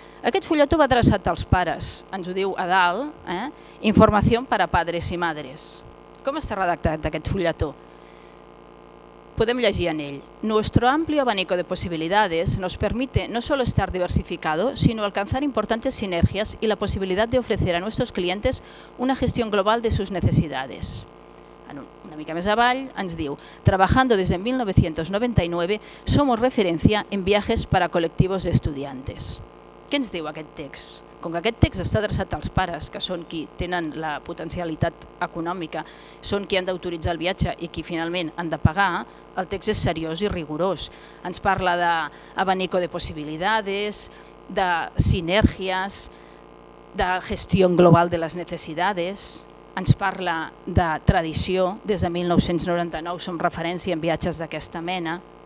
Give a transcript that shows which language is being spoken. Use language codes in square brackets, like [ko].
[ca] Aquest fulletó va adreçat als pares, ens ho diu a dalt, Informació per a padres i madres. Com està redactat aquest fulletó? Podem llegir en ell. [es] Nuestro amplio abanico de posibilidades nos permite no solo estar diversificado, sino alcanzar importantes sinergias y la posibilidad de ofrecer a nuestros clientes una gestión global de sus necesidades. [ca] Una mica més avall ens diu, [es] trabajando desde 1999 somos referencia en viajes para colectivos de estudiantes. [ca] Què ens diu aquest text? Com que aquest text està adreçat als pares, que són qui tenen la potencialitat econòmica, són qui han d'autoritzar el viatge i qui finalment han de pagar, el text és seriós i rigorós. Ens parla d' [es] abanico de posibilidades, [ca] de sinergies, de gestió global de les necessitats, ens parla de tradició, des de 1999 som referència en viatges d'aquesta mena.